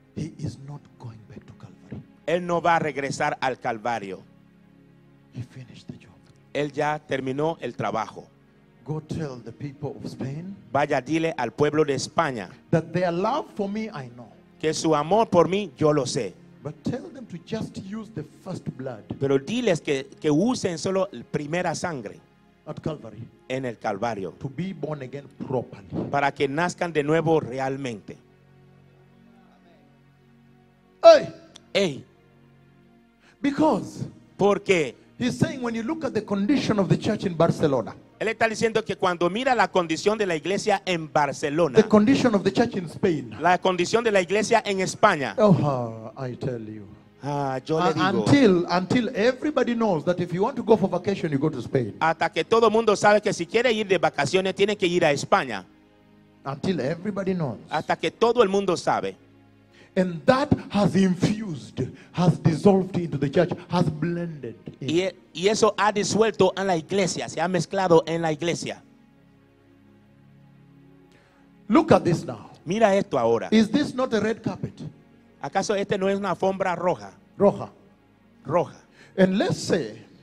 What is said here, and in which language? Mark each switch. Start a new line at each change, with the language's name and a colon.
English: He is not going back to Calvary.
Spanish: Él no va a regresar al Calvario.
English: He finished the job.
Spanish: Él ya terminó el trabajo.
English: Go tell the people of Spain.
Spanish: Vaya, dile al pueblo de España.
English: That their love for me, I know.
Spanish: Que su amor por mí, yo lo sé.
English: But tell them to just use the first blood.
Spanish: Pero diles que usen solo primera sangre.
English: At Calvary.
Spanish: En el Calvario.
English: To be born again properly.
Spanish: Para que nazcan de nuevo realmente. Hey. Hey.
English: Because.
Spanish: Porque.
English: He's saying when you look at the condition of the church in Barcelona.
Spanish: Él está diciendo que cuando mira la condición de la iglesia en Barcelona,
English: the condition of the church in Spain,
Spanish: la condición de la iglesia en España,
English: oh, I tell you, Until everybody knows that if you want to go for vacation, you go to Spain.
Spanish: Hasta que todo mundo sabe que si quiere ir de vacaciones tiene que ir a España.
English: Until everybody knows.
Spanish: Hasta que todo el mundo sabe.
English: And that has infused, has dissolved into the church, has blended.
Spanish: Y eso ha disuelto en la iglesia, se ha mezclado en la iglesia.
English: Look at this now.
Spanish: Mira esto ahora.
English: Is this not a red carpet?
Spanish: ¿Acaso este no es una alfombra roja? Roja. Roja.
English: And let's say,